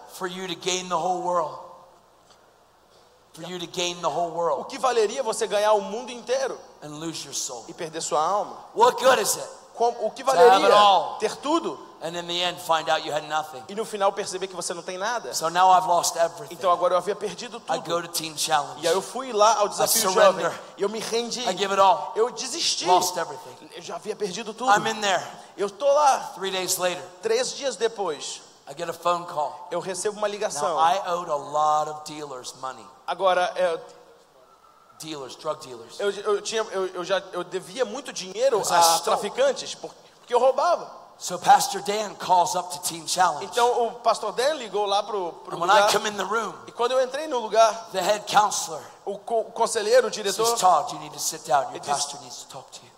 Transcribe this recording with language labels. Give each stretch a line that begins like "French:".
English: For you to gain the whole world. For you to gain the whole world.
Portuguese: O que valeria você ganhar o mundo inteiro?
English: And lose your soul.
Portuguese: E perder sua alma.
English: What good is it?
Portuguese: O que valeria ter tudo?
English: And in the end, find out you had nothing.
Portuguese: E no final perceber que você não tem nada.
English: So now I've lost everything.
Portuguese: Então agora eu havia perdido tudo.
English: I go to teen challenge.
Portuguese: E aí eu fui lá ao desafio jovem. E eu me rendi.
English: I give it all.
Portuguese: Eu desisti.
English: Lost everything.
Portuguese: Eu já havia perdido tudo.
English: I'm in there.
Portuguese: Eu tô lá.
English: 3 days later.
Portuguese: 3 dias depois.
English: I get a phone call.
Portuguese: Eu recebo uma ligação.
English: Now, I owed a lot of dealers money.
Portuguese: Agora
English: dealers, drug dealers.
Portuguese: Eu devia muito dinheiro a traficantes porque eu roubava.
English: So Pastor Dan calls up to Teen Challenge.
Portuguese: Então o Pastor Dan ligou lá pro
English: and
Portuguese: lugar.
English: When I come in the room,
Portuguese: e quando eu entrei no lugar,
English: the head counselor,
Portuguese: o conselheiro, o diretor,
English: says, Todd, you need to sit down. Your pastor needs to talk to you.